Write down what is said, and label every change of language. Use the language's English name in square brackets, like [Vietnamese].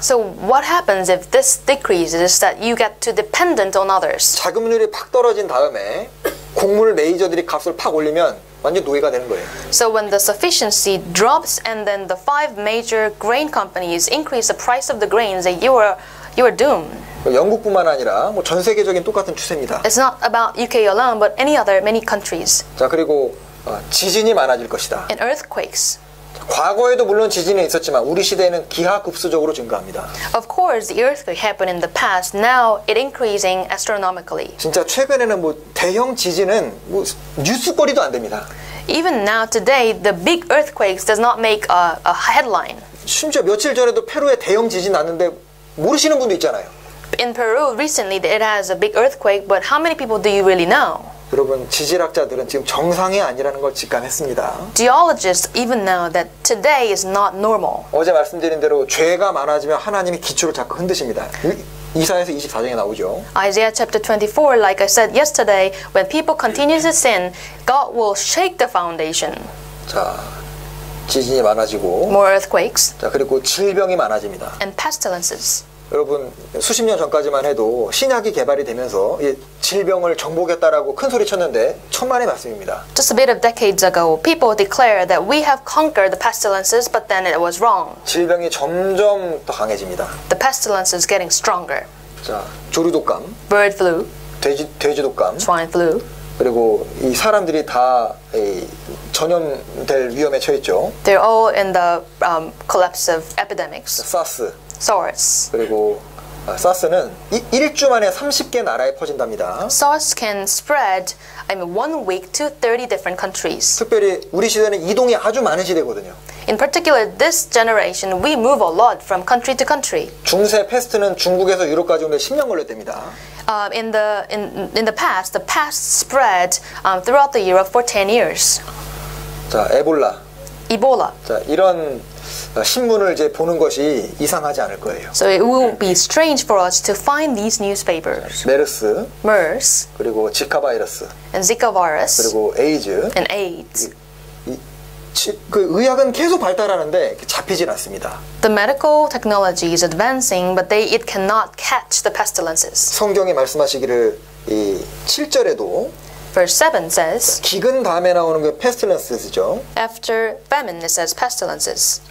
[English] So what happens if this decreases that you get too dependent on others? [Korean] 자급률이 팍 떨어진 다음에 곡물 메이저들이 값을 팍 올리면 완전 노예가 되는 거예요. [English] So when the sufficiency drops and then the five major grain companies increase the price of the grains, that you are you are doomed. [Korean] 영국뿐만 아니라 뭐 전 세계적인 똑같은 추세입니다. [English] It's not about UK alone, but any other many countries. [Korean] 자 그리고 지진이 많아질 것이다. [English] And earthquakes. [Korean] 과거에도 물론 지진은 있었지만 우리 시대에는 기하급수적으로 증가합니다. [English] Of course, the earthquake happened in the past. Now it increasing astronomically. [Korean] 진짜 최근에는 뭐 대형 지진은 뭐 뉴스거리도 안 됩니다. [English] Even now today, the big earthquakes does not make a headline. [Korean] 심지어 며칠 전에도 페루에 대형 지진 났는데 모르시는 분도 있잖아요. [English] In Peru recently, it has a big earthquake, but how many people do you really know? [Korean] 여러분 지질학자들은 지금 정상이 아니라는 걸 직감했습니다. [English] Geologists even know that today is not normal. [Korean] 어제 말씀드린 대로 죄가 많아지면 하나님이 기초를 자꾸 흔드십니다. 이사야서 24장에 나오죠. [English] Isaiah chapter 24, like I said yesterday, when people continue to sin, God will shake the foundation. [Korean] 자, 지진이 많아지고. [English] More earthquakes. [Korean] 자, 그리고 질병이 많아집니다. [English] And pestilences. [Korean] 여러분 수십 년 전까지만 해도 신약이 개발이 되면서 이 질병을 정복했다라고 큰 소리 쳤는데 천만의 말씀입니다. [English] Just a bit of decades ago, people declared that we have conquered the pestilences, but then it was wrong. [Korean] 질병이 점점 더 강해집니다. [English] The pestilence is getting stronger. [Korean] 자, 조류 독감, [English] bird flu, [Korean] 돼지 독감, [English] swine flu. [Korean] 그리고 이 사람들이 다 전염될 위험에 처했죠. [English] They're all in the collapse of epidemics. SARS. SARS. [Korean] 그리고 SARS는 1주 만에 30개 나라에 퍼진답니다. [English] SARS can spread in one week to 30 different countries. [Korean] 특별히 우리 시대는 이동이 아주 많은 시대거든요. [English] In particular, this generation, we move a lot from country to country. [Korean] 중세 패스트는 중국에서 유럽까지 오는데 10년 걸렸답니다. [English] In the past, the pest spread throughout the Europe for 10 years. [Korean] 자, 에볼라. [English] 이볼라. [Korean] 자, 이런 신문을 이제 보는 것이 이상하지 않을 거예요. [English] So it will be strange for us to find these newspapers. [Korean] 메르스, [English] MERS, [Korean] 그리고 지카 바이러스, [English] and Zika virus, [Korean] 그리고 에이즈, [English] and AIDS. [Korean] 그 의학은 계속 발달하는데 잡히질 않습니다. [English] The medical technology is advancing, but it cannot catch the pestilences. [Korean] 성경이 말씀하시기를 이 7절에도 [English] Verse 7 says, [Korean] 기근 다음에 나오는 게 pestilences죠. [English] After famine, it says pestilences.